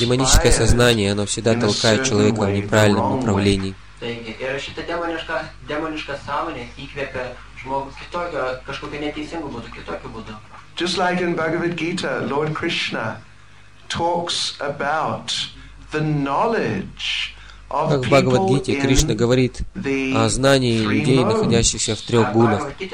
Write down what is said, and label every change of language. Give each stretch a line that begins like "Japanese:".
Russian: Демоническое сознание, оно всегда толкает человека в неправильном направлении.
English: Just like in Bhagavad Gita, Lord Krishna talks about the knowledge.
Russian: Как в Бхагавад-гите Кришна говорит о знании людей, находящихся в трех гунах.